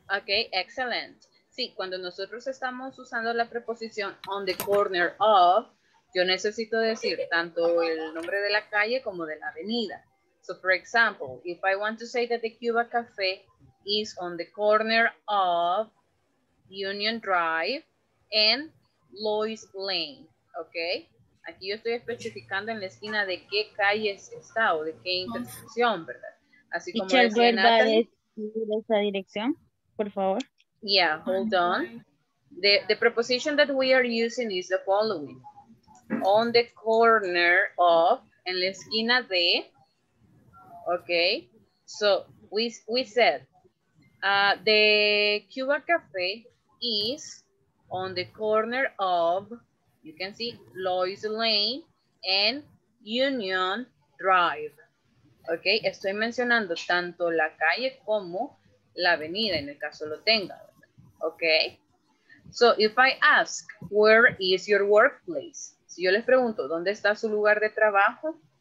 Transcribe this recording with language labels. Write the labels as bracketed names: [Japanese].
[Spanish] Okay, excellent. Sí, cuando nosotros estamos usando la preposición [English] on the corner of, [Spanish] yo necesito decir tanto el nombre de la calle como de la avenida. [English] So, for example, if I want to say that the Cuba Cafe is on the corner of Union Drive and Lois Lane, ¿ok? [Spanish] Aquí yo estoy especificando en la esquina de qué calle está o de qué intersección, ¿verdad? Así como decía Natalie. ¿Vuelva a decir esa dirección, por favor? [English] Yeah, hold on. The preposition that we are using is the following. On the corner of, [Spanish] en la esquina de, [English] okay? So, we said, the Cuba Cafe is on the corner of, you can see, Lois Lane and Union Drive. [Spanish] Okay, estoy mencionando tanto la calle como la avenida, en el caso lo tenga. [English] Okay, so if I ask, where is your workplace? [Spanish] Si yo les pregunto, ¿dónde está su lugar de trabajo?